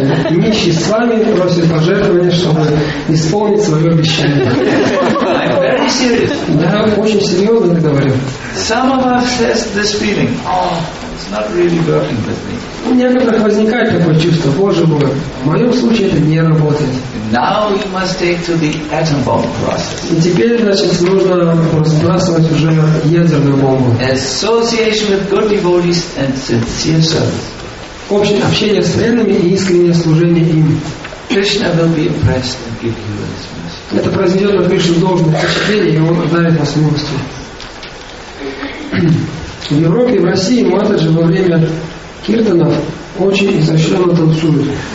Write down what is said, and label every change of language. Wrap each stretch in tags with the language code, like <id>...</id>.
<ru>Нищий с вами просит пожертвования, чтобы исполнить свое обещание.</ru> <en>I'm very serious.</en> <ru>Да, очень серьезно говорю.</ru> <en>Some of us has this feeling. It's not really working with me.</en> <ru>У некоторых возникает такое чувство, Боже мой, в моем случае это не работает.</ru> <en>Now you must take to the atom bomb process.</en> <ru>И теперь, значит, нужно разбрасывать уже ядерную бомбу.</ru> <en>Association with good devotees and sincere service.</en> <ru>Общее общение с преданными и искреннее служение им.</ru> <en>Krishna will be impressed and give you his mercy.</en> <ru>Это произведет на Кришну должное впечатление, и он дарит вас милости. В Европе и в России матаджи во время киртанов очень изощренно танцуют.</ru>